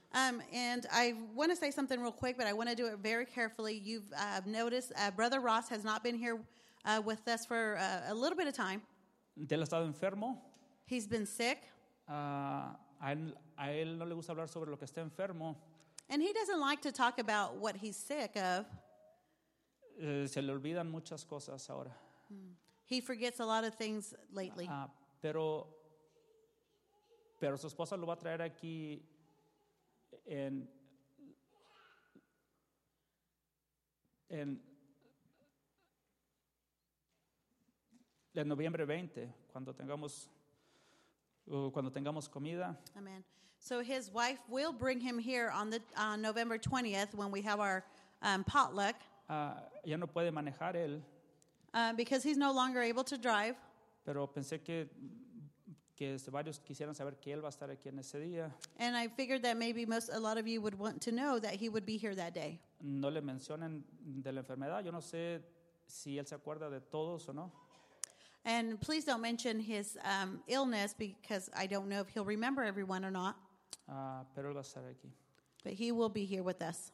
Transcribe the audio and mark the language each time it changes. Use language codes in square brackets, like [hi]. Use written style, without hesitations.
[en] And I want to say something real quick, but I want to do it very carefully. You've noticed Brother Ross has not been here with us for a little bit of time. [es] Él ha estado enfermo. [en] He's been sick. [es] a él no le gusta hablar sobre lo que está enfermo. [en] And he doesn't like to talk about what he's sick of. [es] Se le olvidan muchas cosas ahora. [en] He forgets a lot of things lately. [es] Pero su esposa lo va a traer aquí en noviembre 20, cuando tengamos comida. [en] Amen. So his wife will bring him here on November 20th when we have our potluck. [es] Ya no puede manejar él. [en] Because he's no longer able to drive. [es] Pero pensé que varios quisieran saber que él va a estar aquí en ese día. [en] And I figured that maybe a lot of you would want to know that he would be here that day. [es] No le mencionen de la enfermedad. Yo no sé si él se acuerda de todos o no. [en] And please don't mention his illness because I don't know if he'll remember everyone or not. [es] Pero él va a estar aquí. [en] But he will be here with us.